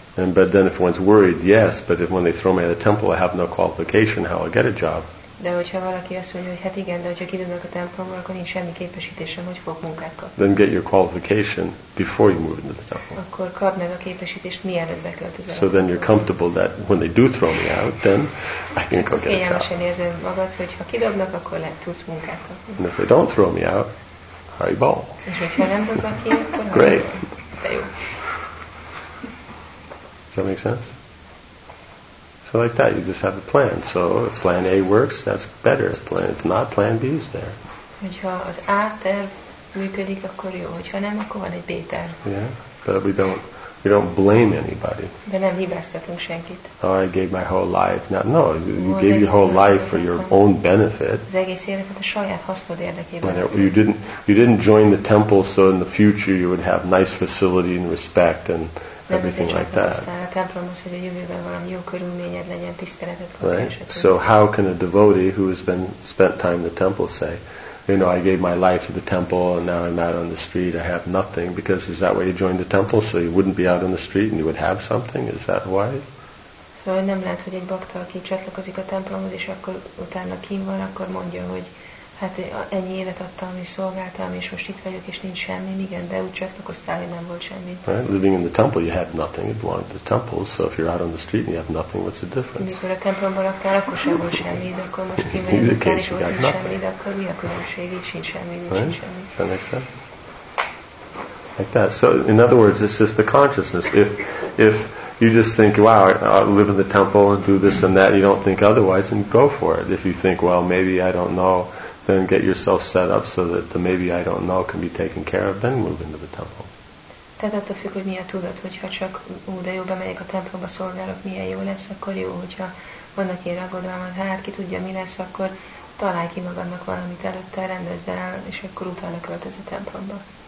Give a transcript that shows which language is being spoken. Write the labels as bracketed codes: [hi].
[en] And but then if one's worried, yes, but if when they throw me out of the temple, I have no qualification, how I get a job? [hu] De hogyha valaki azt mondja, hogy hát igen, de hogyha kidobnak a templomból, akkor nincs semmi képesítésem, hogy fog munkát kapni. [en] Then get your qualification before you move into the temple. [hu] Akkor kapd meg a képesítést, mielőtt beköltözöl. [en] So then you're comfortable that when they do throw me out, then I can go get a job. [hu] Kényelmesen érzed magad, hogy ha kidobnak, akkor lehet tudsz munkát kapni. [en] And if they don't throw me out, hurry ball. [hu] És hogyha nem dobnak ki, akkor [en] great. [hu] De jó. [en] Does that make sense? So like that, you just have a plan. So if plan A works, that's better. If not, plan B is there. [hu] Hogyha az A terv működik, akkor jó. Hogyha nem, akkor van egy B terv. [en] Yeah, but we don't blame anybody. [hu] De nem hibáztatunk senkit. [en] Oh, I gave my whole life. No, you gave your whole life for your own benefit. [hu] Az egész életet a saját hasznod érdekében. [en] You didn't join the temple so in the future you would have nice facility and respect and everything like that. Right? So how can a devotee who has spent time in the temple say, you know, I gave my life to the temple and now I'm out on the street, I have nothing, because is that why you joined the temple? So you wouldn't be out on the street and you would have something? Is that why? [hu] So nem lehet, hogy egy bakta, aki csatlakozik a templomhoz, és akkor utána kín van, akkor mondja, hogy hát ennyi évet adtam és szolgáltam és most itt vagyok és nincs semmi, igen, de úgy csak akkor Stalin nem volt semmi. [en] Right? Living in the temple, you have nothing. It belonged to the temple. So if you're out on the street and you have nothing, what's the difference? [hu] Mikor a templomban laktál, akkor sem volt semmi, de akkor most kimegyek, és akkor nincs semmi, de akkor mi a különbség? Itt sincs semmi, nincs semmi. [en] Does that make sense? Like that. So, in other words, it's just the consciousness. If you just think, wow, I live in the temple and do this and that, you don't think otherwise, then go for it. If you think, well, maybe I don't know, then get yourself set up so that the maybe I don't know can be taken care of, then move into the temple. [hu] Tehát attól függ, hogy mi a tudat, hogyha csak de jó, bemegyek a templomba, szolgálok, milyen jó lesz, akkor jó, hogyha vannak ilyen aggodalmat, hát ki tudja, mi lesz, akkor találj ki magadnak valamit előtte, rendezd el, és akkor utána költöz a templomba.